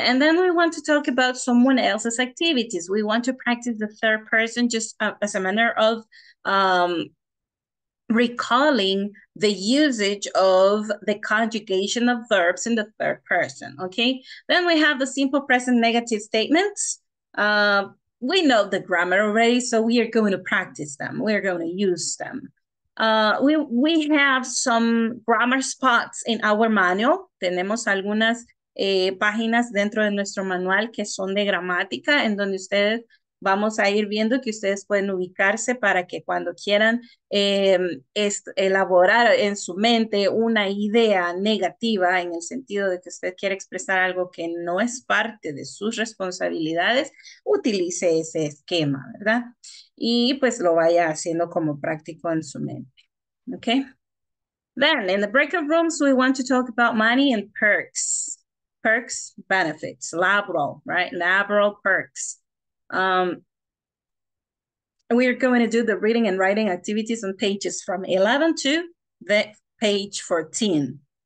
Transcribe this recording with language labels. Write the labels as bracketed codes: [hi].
[en] And then we want to talk about someone else's activities. We want to practice the third person just as a manner of recalling the usage of the conjugation of verbs in the third person. Okay, then we have the simple present negative statements. We know the grammar already, so we are going to practice them. We're going to use them. We have some grammar spots in our manual. [es] Tenemos algunas páginas dentro de nuestro manual que son de gramática, en donde ustedes vamos a ir viendo que ustedes pueden ubicarse para que cuando quieran elaborar en su mente una idea negativa, en el sentido de que usted quiere expresar algo que no es parte de sus responsabilidades, utilice ese esquema, ¿verdad? Y pues lo vaya haciendo como práctico en su mente, ¿ok? [en] Then, in the breakout rooms, we want to talk about money and perks. Perks, benefits, laboral, right? Laboral perks. We are going to do the reading and writing activities on pages from 11 to the page 14.